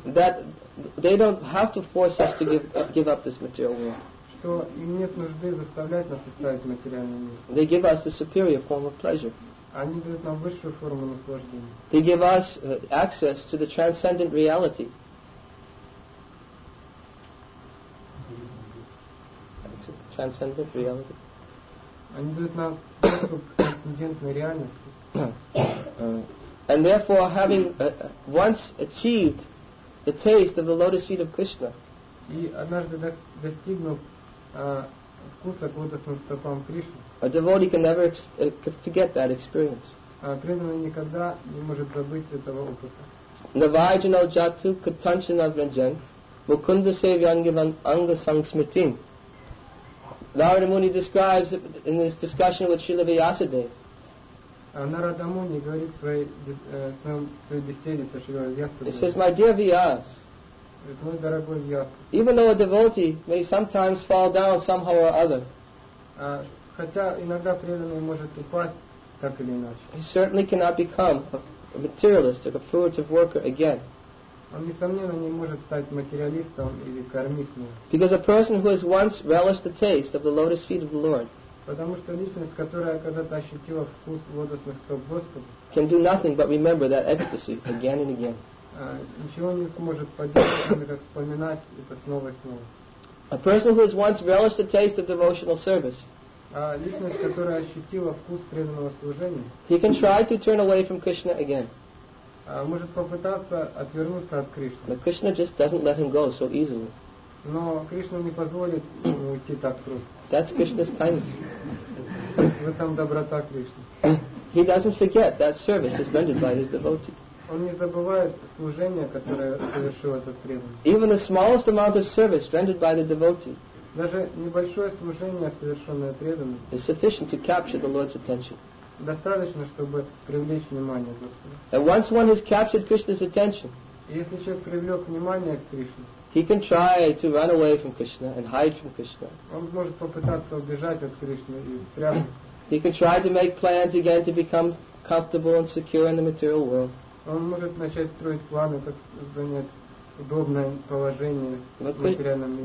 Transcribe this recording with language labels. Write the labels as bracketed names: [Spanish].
[English] That they don't have to force us to give up this material world. [Russian] Что им нет нужды заставлять нас оставить материальный мир. [English] They give us the superior form of pleasure. [Russian] Они дают нам высшую форму наслаждения. [English] They give us access to the transcendent reality. Transcendent reality. [Russian] Они дают нам доступ к трансцендентной реальности. [English] And therefore, having once achieved the taste of the lotus feet of Krishna, [Russian] и однажды достигнув вкуса к лотосным стопам Кришны, [English] a devotee can never forget that experience. [Russian] Преданный никогда не может забыть этого опыта. [Sanskrit] Navajino jatu katanchana vrajan mukunda sevyangivan angasang smitin. [English] Narada Muni describes in his discussion with Srila Vyasadeva. [Russian] Narada Muni говорит в своей беседе со Шрила Вьясадевой. [English] He says, my dear Vyas, [Russian] мой дорогой Вьяс, [English] even though a devotee may sometimes fall down somehow or other, [Russian] хотя иногда преданный может упасть так или иначе, [English] he certainly cannot become a materialist or a fruitive worker again. [Russian] Он, несомненно, не может стать материалистом или кармистом. [English] Because a person who has once relished the taste of the lotus feet of the Lord, [Russian] потому что личность, которая когда-то ощутила вкус лотосных стоп Господа, [English] can do nothing but remember that ecstasy again and again. [Russian] Ничего не сможет поделать, кроме как вспоминать это снова и снова. [English] A person who has once relished the taste of devotional service, [Russian] личность, которая ощутила вкус преданного служения, [English] he can try to turn away from Krishna again. [Russian] Может попытаться отвернуться от Кришны. [English] But Krishna just doesn't let him go so easily. [Russian] Но Кришна не позволит ему уйти так просто. [English] That's Krishna's kindness. [Russian] В этом доброта Кришны. [English] He doesn't forget that service is rendered by his devotee. [Russian] Он не забывает служение, которое совершил этот преданный. [English] Even the smallest amount of service rendered by the devotee. [Russian] Даже небольшое служение, совершенное преданным, [English] is sufficient to capture the Lord's attention. [Russian] Достаточно, чтобы привлечь внимание Господа. [English] And once one has captured Krishna's attention, [Russian] если человек привлек внимание к Кришне, [English] he can try to run away from Krishna and hide from Krishna. [Russian] Он может попытаться убежать от Кришны и спрятаться. [English] He can try to make plans again to become comfortable and secure in the material world. [Russian] Он может начать строить планы, как занять удобное положение в материальном мире.